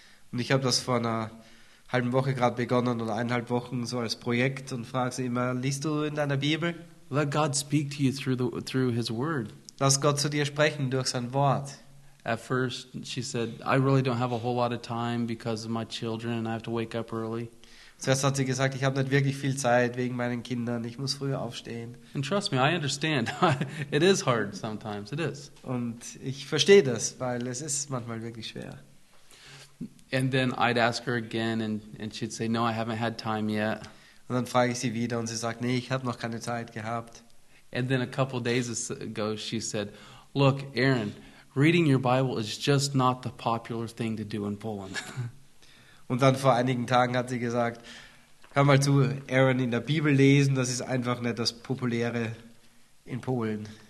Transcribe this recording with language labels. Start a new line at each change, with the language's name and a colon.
German: Und ich habe das vor einer halben Woche gerade begonnen oder eineinhalb Wochen so als Projekt und frage sie immer, liest du in deiner Bibel?
English: Let God speak to you through his word.
German: Lass Gott zu dir sprechen durch sein Wort.
English: At first she said, I really don't have a whole lot of time because of my children and I have to wake up early.
German: Zuerst hat sie gesagt, ich habe nicht wirklich viel Zeit wegen meinen Kindern, ich muss früher aufstehen.
English: And trust me, I understand. It is hard sometimes, it is.
German: Und ich verstehe das, weil es ist manchmal wirklich schwer.
English: And then I'd ask her again and she'd say, no, I haven't had time yet.
German: Und dann frage ich sie wieder und sie sagt, nee, ich habe noch keine Zeit gehabt.
English: And then a couple days ago she said, look, Aaron, reading your Bible is just not the popular thing to do in Poland.
German: Und dann vor einigen Tagen hat sie gesagt, hör mal zu, Aaron, in der Bibel lesen, das ist einfach nicht das Populäre in Polen.